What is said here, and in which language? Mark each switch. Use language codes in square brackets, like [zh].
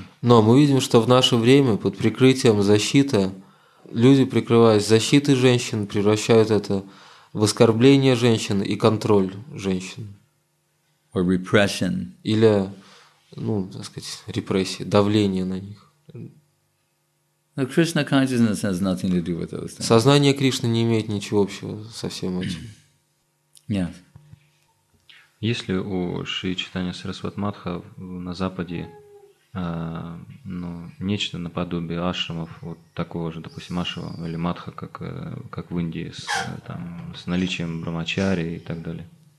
[ru] Но мы видим, что в наше время под прикрытием защиты люди, прикрываясь защитой женщин, превращают это в оскорбление женщин и контроль женщин. [en] Or repression. [ru] Или, ну, так сказать, репрессии, давление на них. [en] No, Krishna consciousness has nothing to do with those things. [ru] Сознание Кришны не имеет ничего общего со всем этим. Нет. Есть ли у Шри Чайтанья Сарасватмадха на Западе ну, нечто наподобие ашрамов, вот такого же, допустим, ашрама или мадха, как в Индии, с наличием брамачари и так далее?